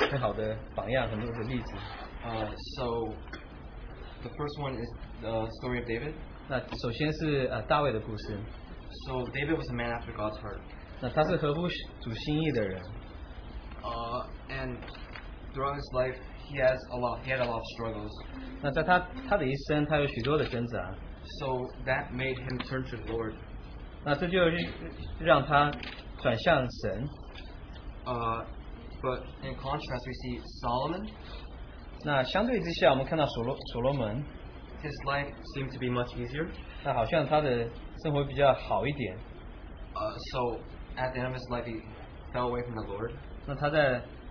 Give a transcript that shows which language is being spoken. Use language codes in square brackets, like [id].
[zh] 讲到专题的时候，圣经里面他们让我们看了一些很好的榜样，很多的例子。 [en] So the first one is the story of David. [zh] 那首先是大卫的故事。 [en] So David was a man after God's heart. [zh] 那他是合乎主心意的人。 [en] And throughout his life, He had a lot of struggles. [zh] 那在他的一生，他有许多的挣扎。 [en] So that made him turn to the Lord. [zh] 那这就让他转向神。 [en] But in contrast, we see Solomon. [zh] 那相对之下，我们看到所罗门。 [en] His life seemed to be much easier. [zh] 那好像他的生活比较好一点。 [en] So at the end of his life, he fell away from the Lord.